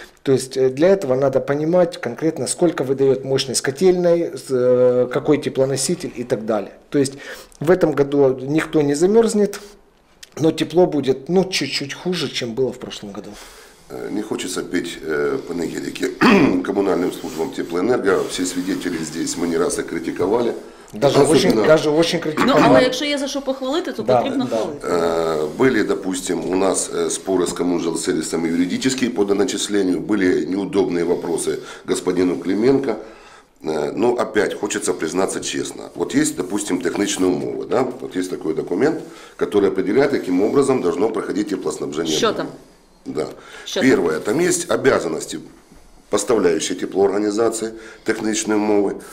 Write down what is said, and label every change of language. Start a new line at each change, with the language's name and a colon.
Russian: То есть для этого надо понимать конкретно, сколько выдает мощность котельной, какой теплоноситель и так далее. То есть в этом году никто не замерзнет, но тепло будет, ну, чуть-чуть хуже, чем было в прошлом году. Не хочется петь панегирики коммунальным службам Теплоэнерго. Все свидетели здесь, мы не раз их критиковали. Даже очень критично.
Ukrainian: Ну, але якщо є за що похвалити, то да, потрібно хвалити. Да. Були, допустим, у нас спори з комунжилсервисами юридичні по доначисленню, були неудобні питання господину Клименко.
Russian: Ну, опять хочется признаться честно. Вот есть, допустим, техничные умовы, да? Вот есть такой документ, который определяет, каким образом должно проходить теплоснабжение. Что там? Да. Что первое, там есть обязанности поставляющей теплоорганизации, техничные умовы.